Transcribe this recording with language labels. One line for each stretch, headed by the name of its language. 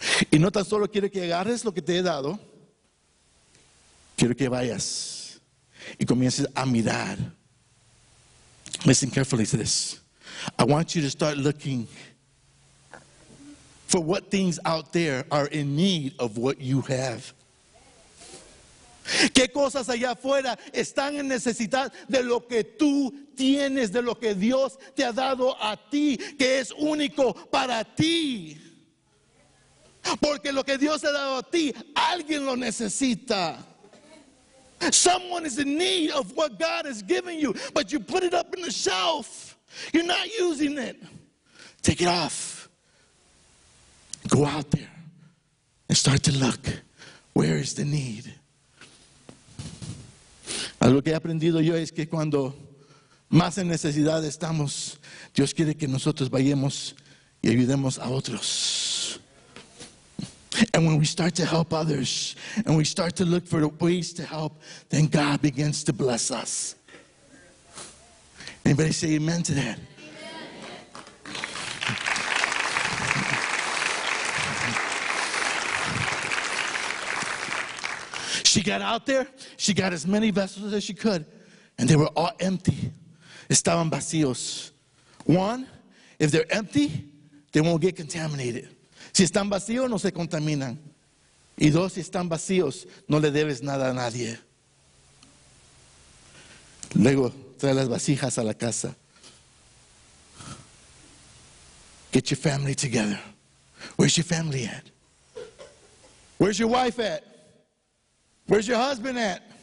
Spanish: Y no tan solo quiere que agarres lo que te he dado, quiero que vayas y comiences a mirar.
English: Listen carefully to this. I want you to start looking for what things out there are in need of what you have.
Spanish: ¿Qué cosas allá afuera están en necesidad de lo que tú tienes, de lo que Dios te ha dado a ti, que es único para ti? Porque lo que Dios te ha dado a ti, alguien lo necesita.
English: Someone is in need of what God has given you, but you put it up in the shelf. You're not using it. Take it off. Go out there and start to look. Where is the need?
Spanish: Algo que he aprendido yo es que cuando más en necesidad estamos, Dios quiere que nosotros vayamos y ayudemos a otros.
English: And when we start to help others and we start to look for ways to help, then God begins to bless us. Anybody say amen to that? She got out there, she got as many vessels as she could, and they were all empty. Estaban vacíos. One, if they're empty, they won't get contaminated.
Spanish: Si están vacíos, no se contaminan. Y dos, si están vacíos, no le debes nada a nadie. Luego, trae las vasijas a la casa.
English: Get your family together. Where's your family at? Where's your wife at? Where's your husband at?